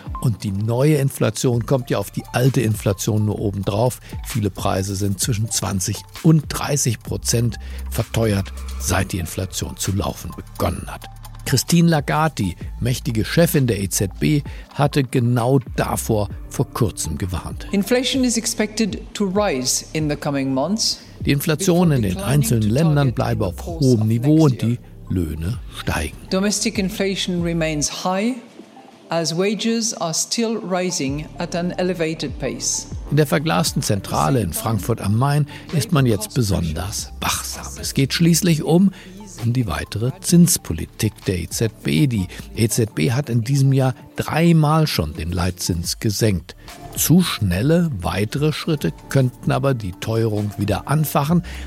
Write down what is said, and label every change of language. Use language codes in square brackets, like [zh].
[de] Und die neue Inflation kommt ja auf die alte Inflation nur obendrauf. Viele Preise sind zwischen 20% und 30% verteuert, seit die Inflation zu laufen begonnen hat. Christine Lagarde, die mächtige Chefin der EZB, hatte genau davor vor kurzem gewarnt. [en] Inflation is expected to rise in the coming months. [de] Die Inflation in den einzelnen Ländern bleibe auf hohem Niveau und die Löhne steigen. [en] Domestic inflation remains high, as wages are still rising at an elevated pace. [de] In der verglasten Zentrale in Frankfurt am Main ist man jetzt besonders wachsam. Es geht schließlich um die weitere Zinspolitik der EZB. Die EZB hat in diesem Jahr dreimal schon den Leitzins gesenkt. Zu schnelle weitere Schritte könnten aber die Teuerung wieder anfachen.